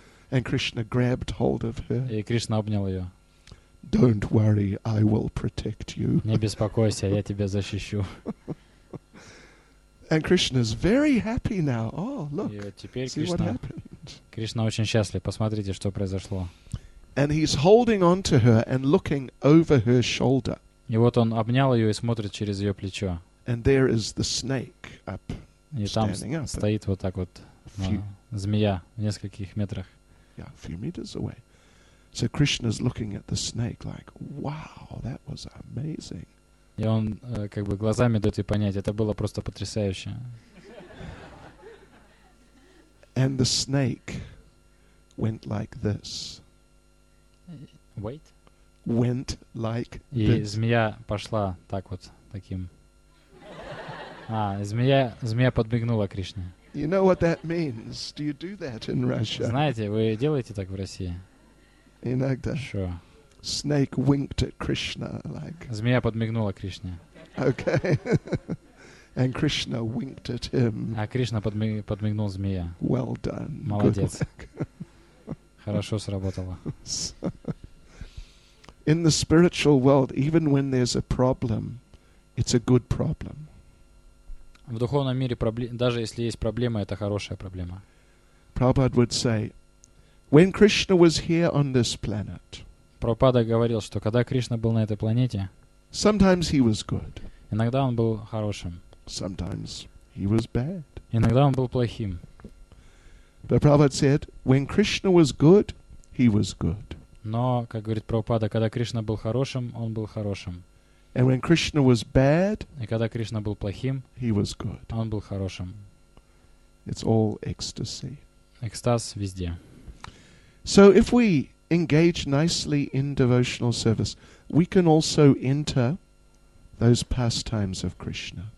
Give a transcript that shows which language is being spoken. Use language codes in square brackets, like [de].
[en] And Krishna grabbed hold of her. [ru] И Кришна обнял ее. [en] Don't worry, I will protect you. [ru] Не беспокойся, я тебя защищу. [en] And Krishna's very happy now. Oh, look! See what happened. [ru] Кришна очень счастлив. Посмотрите, что произошло. [en] And he's holding on to her and looking over her shoulder. [ru] И вот он обнял ее и смотрит через ее плечо. [en] And there is the snake up. [ru] И там стоит вот так вот змея в нескольких метрах. [en] Yeah, a few meters away. So Krishna's looking at the snake like, wow, that was amazing. [ru] И он как бы глазами дает ей понять, это было просто потрясающе. [en] And the snake went like this. Wait. Went like this. [ru] И змея пошла так вот, таким. А, змея подмигнула Кришне. [en] You know what that means? Do you do that in Russia? [ru] Знаете, вы делаете так в России? Иногда. [en] Sure. Snake winked at Krishna like. [ru] Змея подмигнула Кришне. [en] Okay. And Krishna winked at him. [ru] А Кришна подмигнул змея. [en] Well done. [ru] Молодец. Хорошо сработало. [en] In the spiritual world, even when there's a problem, it's a good problem. [ru] В духовном мире даже если есть проблема, это хорошая проблема. [en] Prabhupada would say, when Krishna was here on this planet. [ru] Прабхупада говорил, что когда Кришна был на этой планете, [en] sometimes he was good. [ru] Иногда он был хорошим. [en] Sometimes he was bad. [ru] Иногда он был плохим. [en] But Prabhupada said, when Krishna was good, he was good. [ru] Но, как говорит Прабхупада, когда Кришна был хорошим, он был хорошим. [en] And when Krishna was bad, [ru] и когда Кришна был плохим, [en] he was good. [ru] Он был хорошим. [en] It's all ecstasy. [ru] Экстаз везде. [en] So if we engage nicely in devotional service, we can also enter those pastimes of Krishna.